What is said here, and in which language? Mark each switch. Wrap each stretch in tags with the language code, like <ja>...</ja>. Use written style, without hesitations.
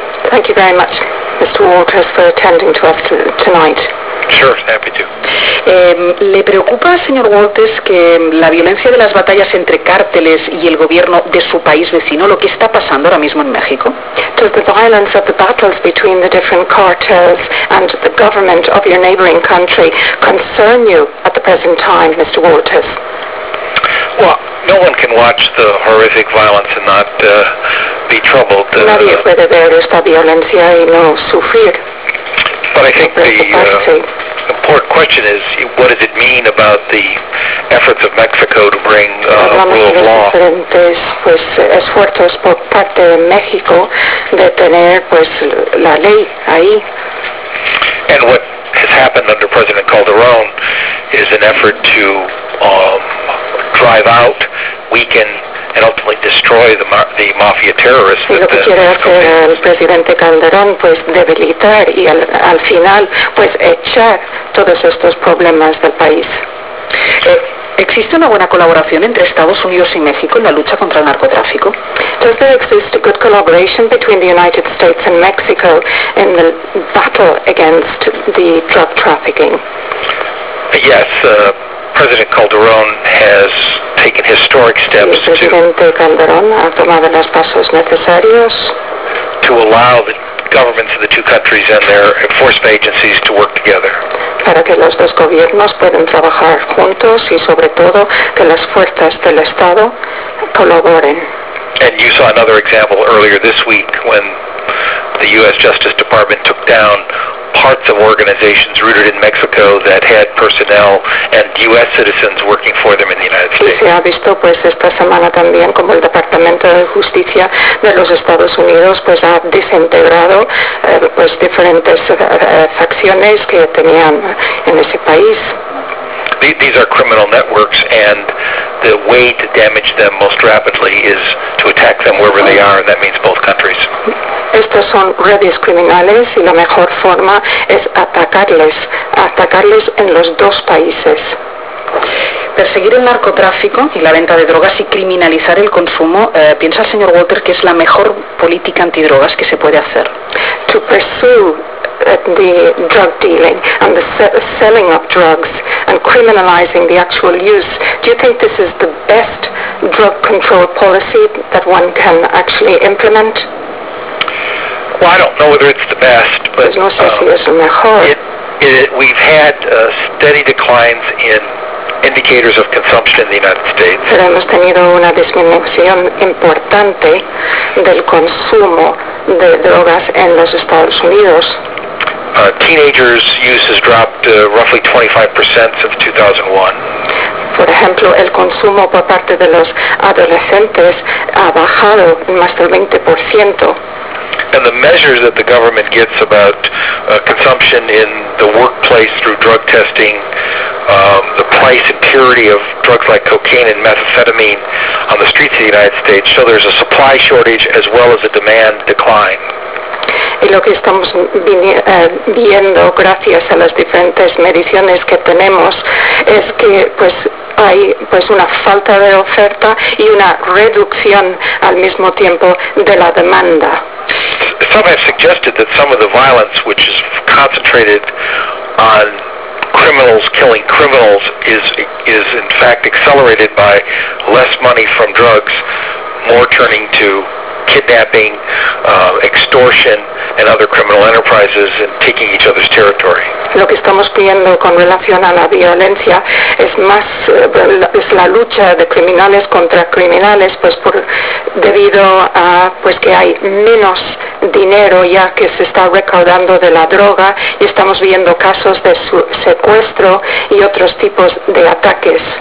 <en>Thank you very much, Mr. Walters, for attending to us tonight. Sure, happy to.</en> <es>¿Le preocupa, señor Walters, que la violencia de las batallas entre cárteles y el gobierno de su país vecino, lo que está pasando ahora mismo en México?</es> <en>Does the violence of the battles between the different cartels and the government of your neighboring country concern you at the present time, Mr. Walters? Well, no one can watch the horrific violence and not be troubled.</en> <es>Nadie puede ver esta violencia y no sufrir.</es> <en>But I think the important question is, what does it mean about the efforts of Mexico to bring rule of law?</en> <es>Diferentes pues esfuerzos por parte de México de tener pues la ley ahí.</es> <en>And what has happened under President Calderón is an effort to drive out, weaken, and ultimately destroy the mafia terrorists.</en> <es>Y lo que quiere hacer el presidente Calderón, pues debilitar y al final, pues echar todos estos problemas del país. ¿Existe una buena colaboración entre Estados Unidos y México en la lucha contra el narcotráfico?</es> <en>Does there exist a good collaboration between the United States and Mexico in the battle against the drug trafficking? Yes, President Calderón has taken historic steps to allow the governments of the two countries and their enforcement agencies to work together.</en> <es>Para que los dos gobiernos puedan trabajar juntos y sobre todo que las fuerzas del Estado colaboren.</es> <en>And you saw another example earlier this week when the U.S. Justice Department took down parts of organizations rooted in Mexico that had personnel and U.S. citizens working for them in the United States.</en> <es>Y se ha visto pues esta semana también como el Departamento de Justicia de los Estados Unidos pues ha desintegrado pues diferentes facciones que tenían en ese país.</es> <en>These are criminal networks, and the way to damage them most rapidly is to attack. detect them wherever they are, and that means both countries.</en> <es>Estos son redes criminales y la mejor forma es atacarles en los dos países. Perseguir el narcotráfico y la venta de drogas y criminalizar el consumo, ¿piensa el señor Walter que es la mejor política antidrogas que se puede hacer?</es> <en>To pursue the drug dealing and the selling of drugs and criminalizing the actual use, do you think this is the best drug control policy that one can actually implement? Well, I don't know whether it's the best, but</en> <es>pues no sé si es el mejor.</es> <en>We've had steady declines in indicators of consumption in the United States.</en> <es>Pero hemos tenido una disminución importante del consumo de drogas en los Estados Unidos.</es> <en>Teenagers' use has dropped roughly 25% since 2001.</en> <es>Por ejemplo, el consumo por parte de los adolescentes ha bajado más del 20%.</es> <en>And the measures that the government gets about consumption in the workplace through drug testing, the price and purity of drugs like cocaine and methamphetamine on the streets of the United States, so there's a supply shortage as well as a demand decline.</en> <es>Y lo que estamos viendo gracias a las diferentes mediciones que tenemos es que pues hay pues una falta de oferta y una reducción al mismo tiempo de la demanda.</es> <en>Some have suggested that some of the violence which is concentrated on criminals killing criminals is in fact accelerated by less money from drugs, more turning to kidnapping, extortion, and other criminal enterprises and taking each other's territory.</en> <es>Lo que estamos viendo con relación a la violencia es más es la lucha de criminales contra criminales, pues por debido a pues que hay menos dinero ya que se está recaudando de la droga y estamos viendo casos de secuestro y otros tipos de ataques.</es>